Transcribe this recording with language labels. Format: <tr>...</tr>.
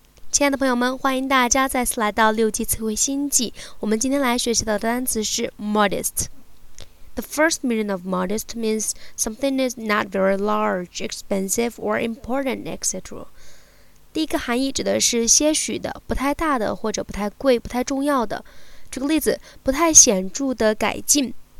<zh>亲爱的朋友们，欢迎大家再次来到六级词汇星际。我们今天来学习的单词是 modest.</zh> <en>The first meaning of modest means something is not very large, expensive, or important, etc.</en> <zh>第一个含义指的是些许的、不太大的或者不太贵、不太重要的。举个例子，不太显著的改进。</zh>